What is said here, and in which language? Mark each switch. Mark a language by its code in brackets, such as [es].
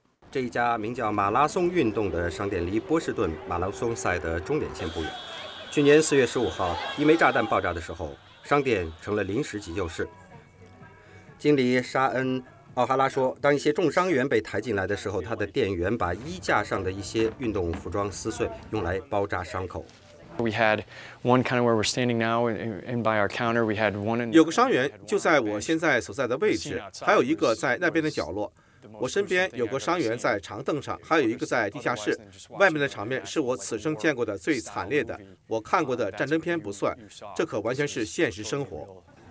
[zh] 这一家名叫马拉松运动的商店离波士顿马拉松赛的终点线不远。去年4月15号，一枚炸弹爆炸的时候，商店成了临时急救室。经理沙恩·奥哈拉说，当一些重伤员被抬进来的时候，他的店员把衣架上的一些运动服装撕碎，用来包扎伤口。 [en] We had one kind of where we're standing now, and by our counter, we had one. [zh] 有个伤员就在我现在所在的位置，还有一个在那边的角落。我身边有个伤员在长凳上，还有一个在地下室。外面的场面是我此生见过的最惨烈的，我看过的战争片不算，这可完全是现实生活。